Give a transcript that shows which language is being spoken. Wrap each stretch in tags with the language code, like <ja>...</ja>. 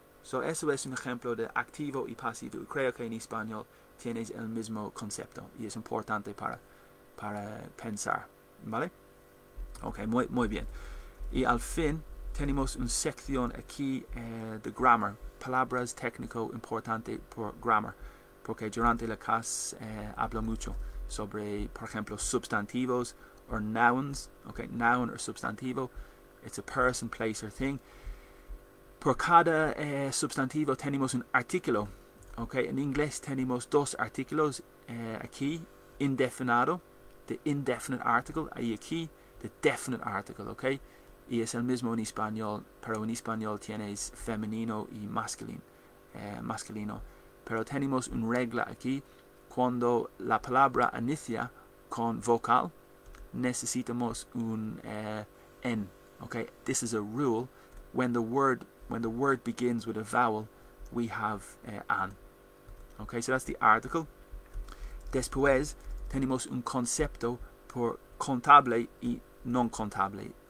<es>So eso es un ejemplo de activo y pasivo. Creo que en español tienes el mismo concepto y es importante para pensar, ¿vale? Ok, muy bien. Y al fin tenemos una sección aquí de grammar, palabras técnico importante por grammar, porque durante la clase hablo mucho sobre, por ejemplo, substantivos o nouns.</es> <en>Ok, noun or substantivo, it's a person, place or thing.</en> <es>Por cada substantivo tenemos un artículo. Ok, en inglés tenemos dos artículos aquí, indefinido,</es> <en>the indefinite article,</en> <es>ahí aquí,</es> <en>the definite article, ok?</en> <es>Y es el mismo en español, pero en español tienes femenino y masculino. Pero tenemos una regla aquí. Cuando la palabra inicia con vocal, necesitamos un N.</es> <en>Okay? This is a rule. When the word begins with a vowel, we have an. Okay, so that's the article.</en> <es>Después, tenemos un concepto por contable y non contable.</es>